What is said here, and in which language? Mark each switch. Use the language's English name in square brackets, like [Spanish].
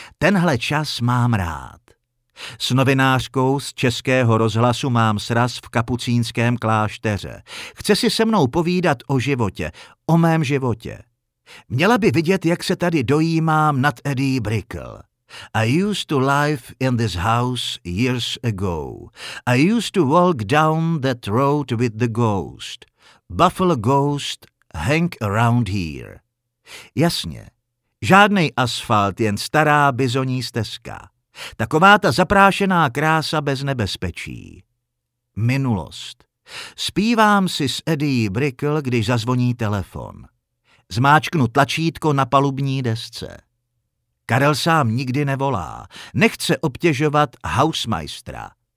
[Czech] Tenhle čas mám rád. S novinářkou z Českého rozhlasu mám sraz v kapucínském klášteře. Chce si se mnou povídat o životě, o mém životě. Měla by vidět, jak se tady dojímám nad Eddie Brickle. [English] I used to live in this house years ago. I used to walk down that road with the ghost. Buffalo ghost hang around here. [Czech] Jasně, žádnej asfalt, jen stará bizoní stezka. Taková ta zaprášená krása bez nebezpečí. Minulost. Zpívám si s Eddie Brickle, když zazvoní telefon. Zmáčknu tlačítko na palubní desce. Karel sám nikdy nevolá, nechce obtěžovat housemajstra.